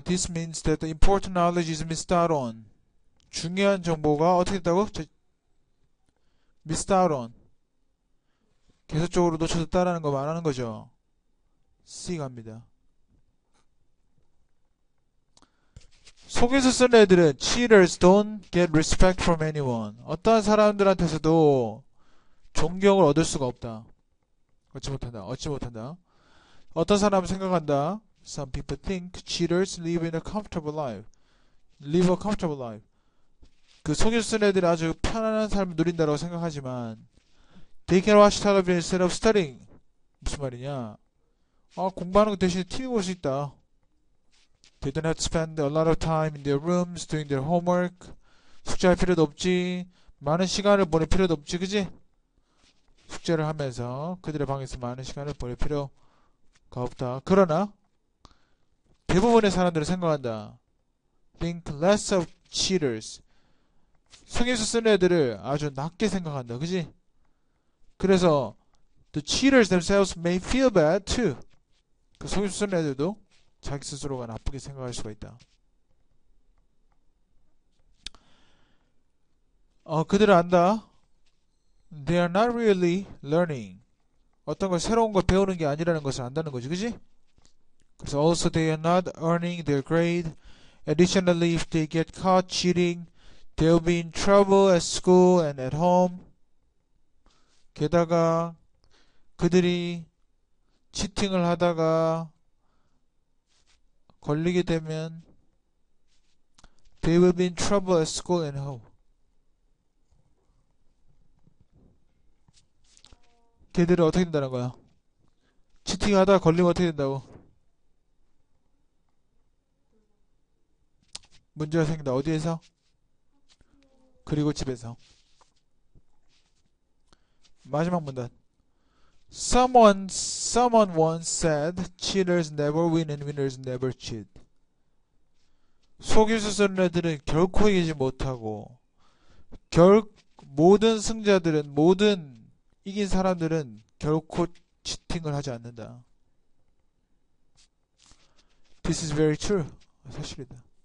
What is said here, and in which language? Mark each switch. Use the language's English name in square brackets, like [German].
[English] This means that the important knowledge is missed out on. [Korean] 중요한 정보가 어떻게 됐다고? [English] Missed out on. [Korean] 계속적으로 놓쳐졌다라는 거 말하는 거죠. C 갑니다. 속임수 쓰는 애들은 [English] cheaters don't get respect from anyone. [Korean] 어떤 사람들한테서도 존경을 얻을 수가 없다. 얻지 못한다. 얻지 못한다. 어떤 사람은 생각한다. [English] Some people think cheaters live in a comfortable life. Live a comfortable life. [Korean] 그 속임수 쓰는 애들은 아주 편안한 삶을 누린다라고 생각하지만 [English] They can watch television instead of studying. [Korean] 무슨 말이냐? 공부하는 것 대신에 TV 볼수 있다. [English] They don't have to spend a lot of time in their rooms doing their homework. [Korean] 숙제할 필요도 없지. 많은 시간을 보낼 필요도 없지, 그지? 숙제를 하면서 그들의 방에서 많은 시간을 보낼 필요가 없다. 그러나 대부분의 사람들은 생각한다. [English] Think less of cheaters. [Korean] 성인에서 쓰는 애들을 아주 낮게 생각한다, 그지? [English] 그래서 the cheaters themselves may feel bad too. [Korean] 그 성인에서 쓰는 애들도 자기 스스로가 나쁘게 생각할 수가 있다. 그들은 안다. [English] They are not really learning. [Korean] 어떤 걸 새로운 걸 배우는 게 아니라는 것을 안다는 거지, 그지? [English] 그래서 also they are not earning their grade. Additionally, if they get caught cheating, they'll be in trouble at school and at home. [Korean] 게다가 그들이 치팅을 하다가 걸리게 되면 [English] they will be in trouble at school and home. [Korean] 걔들은 어떻게 된다는 거야? 치팅하다 걸리면 어떻게 된다고? 문제가 생긴다. 어디에서? 그리고 집에서. 마지막 문단. [English] Someone once said, cheaters never win and winners never cheat. [Korean] 속임수 쓰는 애들은 결코 이기지 못하고, 모든 승자들은, 모든 이긴 사람들은 결코 치팅을 하지 않는다. [English] This is very true. [Korean] 사실이다.